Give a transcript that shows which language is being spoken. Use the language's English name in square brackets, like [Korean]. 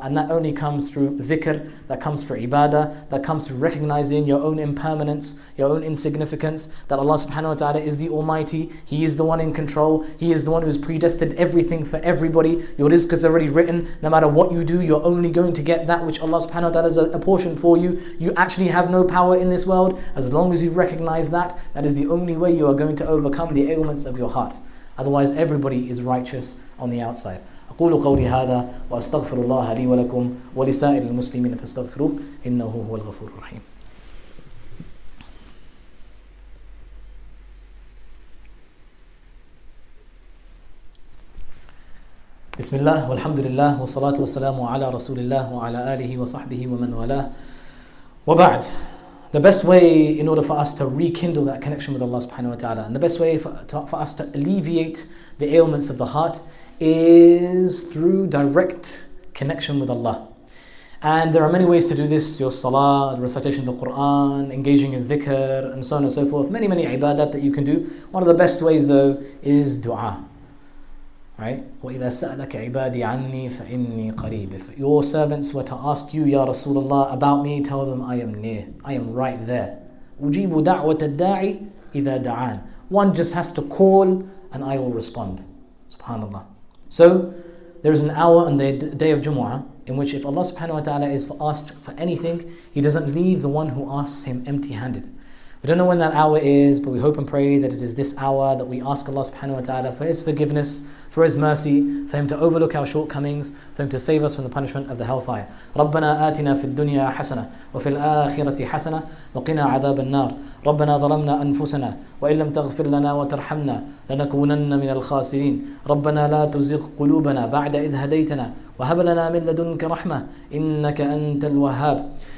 [English] And that only comes through dhikr, that comes through ibadah, that comes through recognizing your own impermanence, your own insignificance, that Allah subhanahu wa ta'ala is the Almighty, He is the one in control, He is the one who has predestined everything for everybody. Your rizq is already written. No matter what you do, you're only going to get that which Allah subhanahu wa ta'ala has apportioned for you. You actually have no power in this world. As long as you recognize that, that is the only way you are going to overcome the ailments of your heart. Otherwise, everybody is righteous on the outside. [Arabic] أقول قولي هذا وأستغفر الله لي ولكم ولسائر المسلمين فاستغفروه إنه هو الغفور الرحيم. بسم الله والحمد لله والصلاة والسلام على رسول الله وعلى آله وصحبه ومن والاه وبعد. [English] The best way in order for us to rekindle that connection with Allah subhanahu wa ta'ala, and the best way for us to alleviate the ailments of the heart, is through direct connection with Allah. And there are many ways to do this: your salah, the recitation of the Quran, engaging in dhikr, and so on and so forth. Many, many ibadat that you can do. One of the best ways, though, is dua. [Arabic] Right? وَإِذَا سَأَلَكَ عِبَادِي عَنِّي فَإِنِّي قَرِيبٌ. [English] If your servants were to ask you, Ya Rasulullah, about me, tell them I am near. I am right there. [Arabic] أُجِيبُ دَعْوَةَ الدَّاعِ إِذَا دَعَانِ. [English] One just has to call and I will respond. SubhanAllah. So, there is an hour on the day of Jumu'ah in which if Allah subhanahu wa ta'ala is asked for anything, He doesn't leave the one who asks Him empty-handed. We don't know when that hour is, but we hope and pray that it is this hour that we ask Allah subhanahu wa ta'ala for His forgiveness, for His mercy, for Him to overlook our shortcomings, for Him to save us from the punishment of the hellfire. [Arabic] ربنا آتنا في الدنيا حسنة وفي الآخرة حسنة وقنا عذاب النار. ربنا ظلمنا أنفسنا وإن لم تغفر لنا وترحمنا لنكونن من الخاسرين. ربنا لا تزغ قلوبنا بعد إذ هديتنا وهب لنا من لدنك رحمة إنك أنت الوهاب.